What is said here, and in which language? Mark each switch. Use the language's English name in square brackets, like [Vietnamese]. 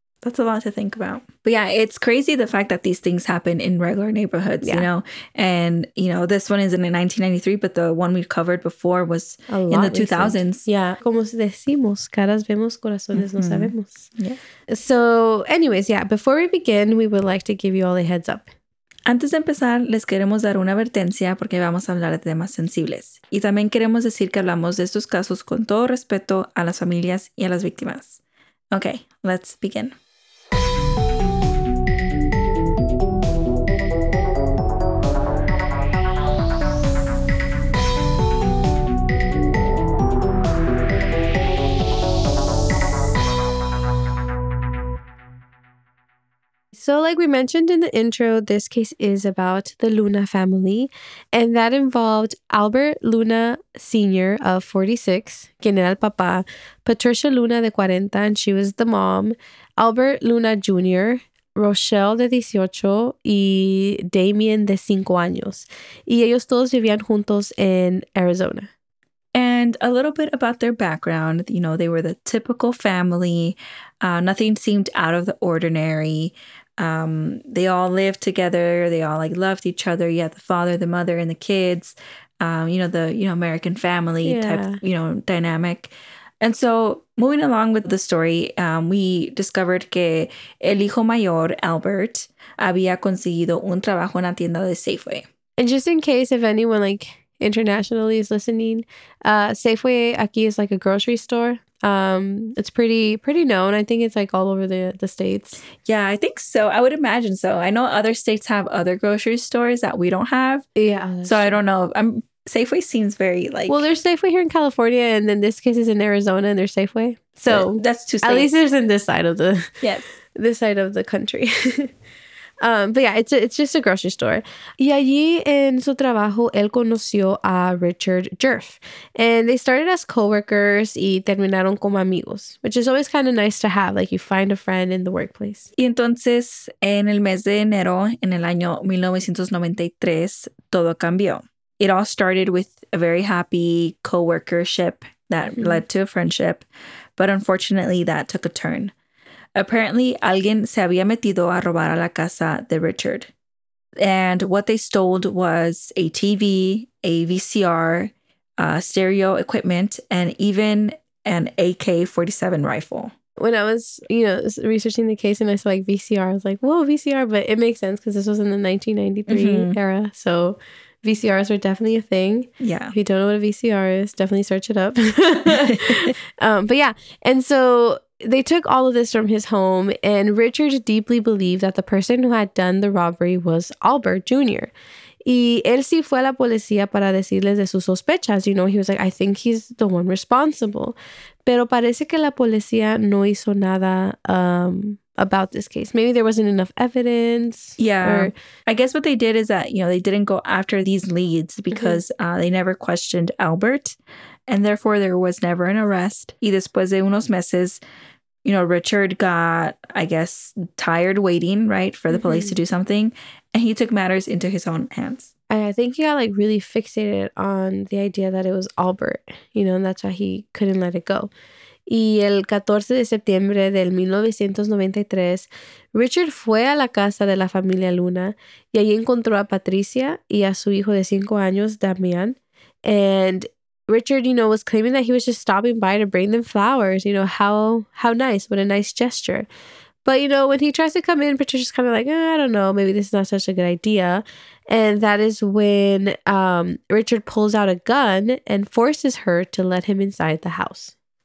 [English] That's a lot to think about. But yeah, it's crazy the fact that these things happen in regular neighborhoods, yeah. You know? And, you know, this one is in 1993, but the one we've covered before was in the 2000s. Recent. Yeah. [Spanish] Como decimos, caras vemos, corazones no sabemos. [English] Yeah. So anyways, yeah, before we begin, we would like to give you all a heads up. [Spanish] Antes de empezar, les queremos dar una advertencia porque vamos a hablar de temas sensibles. Y también queremos decir que hablamos de estos casos con todo respeto a las familias y a las víctimas. [English] Okay, let's begin. So like we mentioned in the intro, this case is about the Luna family, and that involved Albert Luna Sr. of 46, [Spanish] quien era el papá, Patricia Luna de 40, [English] and she was the mom, [Spanish] Albert Luna Jr., Rochelle de 18 y Damien de 5 años, y ellos todos vivían juntos en Arizona. [English] And a little bit about their background, you know, they were the typical family, nothing seemed out of the ordinary. They all lived together. They all like loved each other. You had the father, the mother, and the kids, you know, the, you know, American family type, you know, dynamic. And so moving along with the story, we discovered [Spanish] que el hijo mayor, Albert, había conseguido un trabajo en la tienda de Safeway. [English] And just in case if anyone like internationally is listening, Safeway aquí is like a grocery store. It's pretty known. I think it's like all over the states. Yeah, I think so. I would imagine so. I know other states have other grocery stores that we don't have. Yeah. So true. I don't know. Safeway seems very like... Well, there's Safeway here in California, and then this case is in Arizona and there's Safeway. So that's two states. At least there's in this side of the... Yes. This side of the country. but yeah, it's just a grocery store. [Spanish] Y allí en su trabajo, él conoció a Richard Jerf. [English] And they started as coworkers [Spanish] y terminaron como amigos, [English] which is always kind of nice to have, like you find a friend in the workplace. [Spanish] Y entonces, en el mes de enero, en el año 1993, todo cambió. [English] It all started with a very happy co-workership that led to a friendship. But unfortunately, that took a turn. Apparently, [Spanish] alguien se había metido a robar a la casa de Richard. [English] And what they stole was a TV, a VCR, stereo equipment, and even an AK-47 rifle. When I was, you know, researching the case and I saw like VCR, I was like, whoa, VCR. But it makes sense because this was in the 1993 era. So VCRs are definitely a thing. Yeah. If you don't know what a VCR is, definitely search it up. but yeah. And so... They took all of this from his home, and Richard deeply believed that the person who had done the robbery was Albert Jr. [Spanish] Y él sí fue a la policía para decirles de sus sospechas. [English] You know, he was like, I think he's the one responsible. [Spanish] Pero parece que la policía no hizo nada [English] about this case. Maybe there wasn't enough evidence. Yeah. Or... I guess what they did is that, you know, they didn't go after these leads because they never questioned Albert. And therefore, there was never an arrest. [Spanish] Y después de unos meses, [English] you know, Richard got, I guess, tired waiting, right, for the police to do something. And he took matters into his own hands. I think he got, like, really fixated on the idea that it was Albert, you know, and that's why he couldn't let it go. [Spanish] Y el 14 de septiembre del 1993, Richard fue a la casa de la familia Luna y ahí encontró a Patricia y a su hijo de 5 años, Damian. [English] And... Richard, you know, was claiming that he was just stopping by to bring them flowers. You know, how nice. What a nice gesture. But, you know, when he tries to come in, Patricia's kind of like, eh, I don't know, maybe this is not such a good idea. And that is when Richard pulls out a gun and forces her to let him inside the house.